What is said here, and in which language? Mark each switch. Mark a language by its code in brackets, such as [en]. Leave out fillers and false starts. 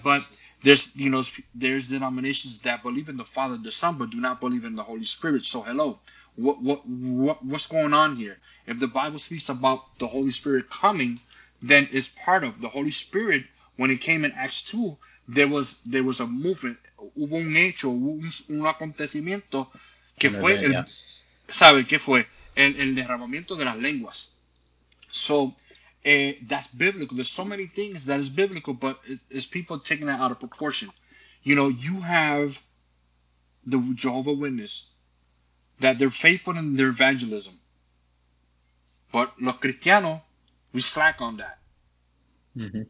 [en] But there's, you know, there's denominations that believe in the Father, the Son, but do not believe in the Holy Spirit. So, hello, what's going on here? If the Bible speaks about the Holy Spirit coming, then it's part of the Holy Spirit. When it came in Acts 2, there was a movement. [es] Hubo un hecho, un acontecimiento que fue, ¿sabe qué fue? El derramamiento de las lenguas. [en] So that's biblical. There's so many things that is biblical, but it's people taking that out of proportion. You know, you have the Jehovah Witness that they're faithful in their evangelism. But [es] los cristianos, [en] we slack on that. Mm-hmm.